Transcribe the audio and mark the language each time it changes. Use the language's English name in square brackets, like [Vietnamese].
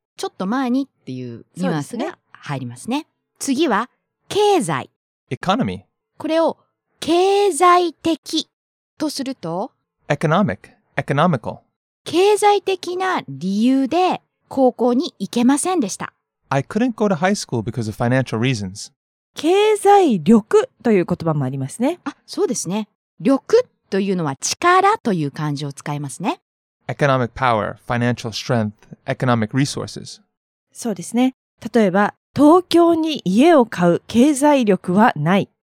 [Japanese] ちょっと前にっていうニュアンスが入りますね。すね次は経済。 [English] Economy。 [Japanese] これを経済的とすると、 [English] economic、economical。 [Japanese] 経済的な理由で高校に行けませんでした。 [English] I couldn't go to high school because of financial reasons。 [Japanese] 経済力という言葉もありますね。あ、そうですね。力というのは力という漢字を使いますね。 [English] Economic power, financial strength, economic resources. [Japanese] そうですね。例えば、東京に家を買う経済力はない。